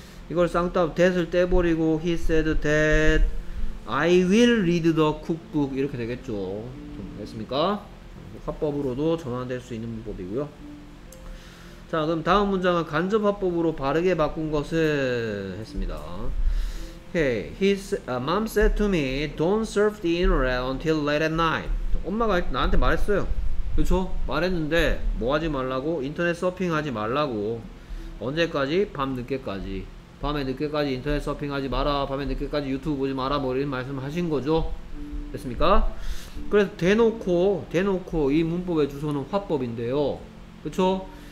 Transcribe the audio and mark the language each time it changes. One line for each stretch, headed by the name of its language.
Korean: 이걸 쌍따
English: that
Korean: 을 떼버리고
English: he said that I will read the cookbook
Korean: 이렇게 되겠죠. 됐습니까? 화법으로도 전환될 수 있는 문법이고요. 자 그럼 다음 문장은 간접 화법으로 바르게 바꾼 것을 했습니다.
English: Hey, his mom said to me, don't surf the internet until late at night.
Korean: 엄마가 나한테 말했어요. 그렇죠? 말했는데 뭐 하지 말라고? 인터넷 서핑하지 말라고. 언제까지? 밤 늦게까지. 밤에 늦게까지 인터넷 서핑하지 마라. 밤에 늦게까지 유튜브 보지 마라. 뭐 이런 말씀을 하신 거죠. 됐습니까? 그래서 대놓고 이 문법의 주소는 화법인데요. 그렇죠?